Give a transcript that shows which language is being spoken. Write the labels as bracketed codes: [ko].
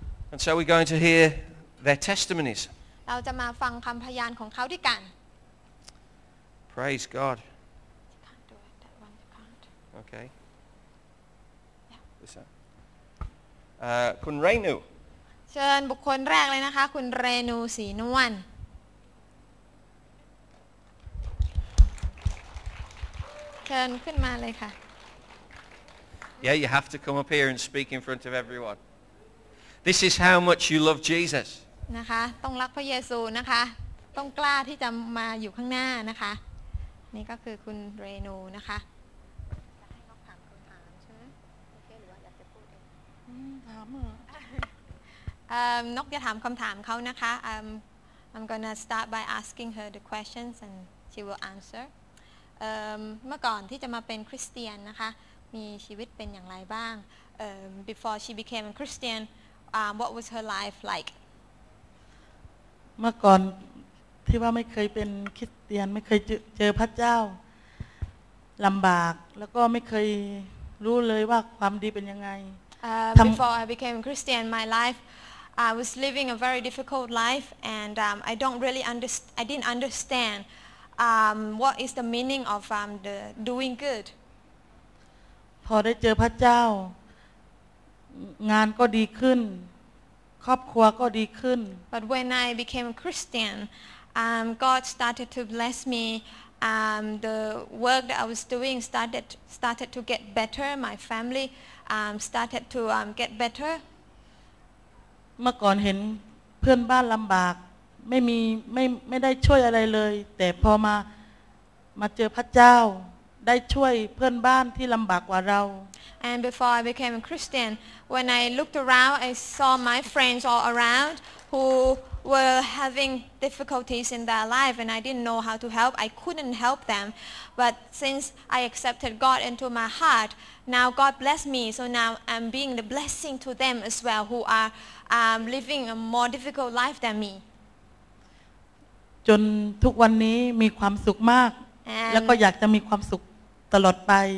[en] And so we're going to hear their testimonies. [th] เราจะมาฟังคำพยานของเขาด้วยกัน [en] Praise God. You can't do it. That one you can't. Okay. Yeah. Listen. คุณเรนู [th] เชิญบุคคลแรกเลยนะคะคุณเรนูศรีนวลเชิญขึ้นมาเลยค่ะ [en] Yeah, you have to come up here and speak in front of everyone. This is how much you love Jesus. [th] นะคะต้องรักพระเยซูนะคะต้องกล้าที่จะมาอยู่ข้างหน้านะคะนี่ก็คือคุณเรนูนะคะ จะให้เขาถามคำถามใช่ไหมโอเคหรือว่าอยากจะพูดเอง ถาม นกจะถามคำถามเขานะคะ [en] I'm gonna start by asking her the questions and she will answer. [th] เมื่อก่อนที่จะมาเป็นคริสเตียนนะคะมีชีวิตเป็นอย่างไรบ้าง [en] before she became a Christian what was her life like [th] เมื่อก่อนที่ว่าไม่เคยเป็นคริสเตียนไม่เคยเจอพระเจ้าลำบากแล้วก็ไม่เคยรู้เลยว่าความดีเป็นยังไง [en] before I became a Christian my lifeI was living a very difficult life and I didn't understandwhat is the meaning of the doing good [th] พอได้เจอพระเจ้างานก็ดีขึ้นครอบครัวก็ดีขึ้น [en] but when I became a Christian God started to bless me the work that I was doing started to get better my family started to get better [th] เมื่อก่อนเห็นเพื่อนบ้านลำบากไม่มีไม่ได้ช่วยอะไรเลยแต่พอมาเจอพระเจ้าได้ช่วยเพื่อนบ้านที่ลำบากกว่าเรา [en] And before I became a Christian when I looked around I saw my friends all around who were having difficulties in their life and I didn't know how to help I couldn't help them but since I accepted God into my heart now God bless me so now I'm being the blessing to them as well who are living a more difficult life than me [th] จนทุกวันนี้มีความสุขมากแล้วก็อยากจะมีความสุขตลอดไป